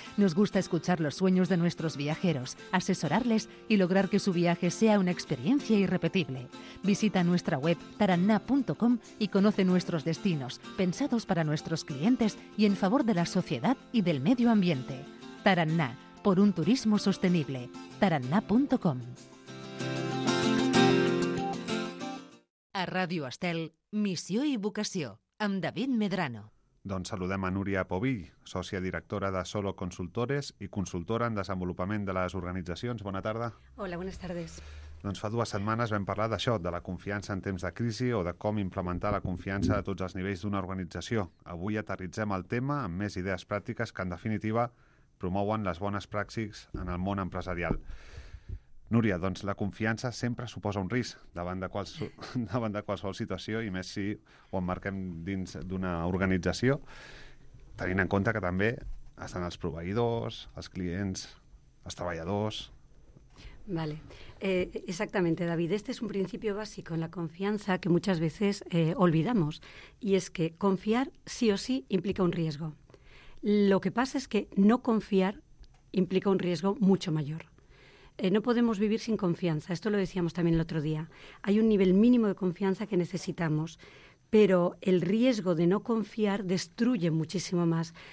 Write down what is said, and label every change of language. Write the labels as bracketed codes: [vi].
[es] Nos gusta escuchar los sueños de nuestros viajeros, asesorarles y lograr que su viaje sea una experiencia irrepetible. Visita nuestra web tarannà.com y conoce nuestros destinos, pensados para nuestros clientes y en favor de la sociedad y del medio ambiente. Tarannà, por un turismo sostenible. Tarannà.com. [ca] A Ràdio Estel, Missió i Vocació, amb David Medrano. Doncs saludem a Núria Povill, sòcia directora de Solo Consultores i consultora en desenvolupament de les organitzacions. Bona tarda. [es] Hola, buenas tardes. [ca] Doncs fa dues setmanes vam parlar d'això, de la confiança en temps de crisi o de com implementar la confiança a tots els nivells d'una organització. Avui aterritzem el tema amb més idees pràctiques que, en definitiva, promouen les bones pràctiques en el món empresarial. Núria, doncs la confiança sempre suposa un risc davant de qualsevol situació i més si ho emmarquem dins d'una organització, tenint en compte que també estan els proveïdors, els clients, els treballadors... [es] Vale, exactamente, David. Este es un principio básico en la confianza que muchas veces olvidamos y es que confiar sí o sí implica un riesgo. Lo que pasa es que no confiar implica un riesgo mucho mayor. No podemos vivir sin confianza, esto lo decíamos también el otro día. Hay un nivel mínimo de confianza que necesitamos, pero el riesgo de no confiar destruye muchísimo más.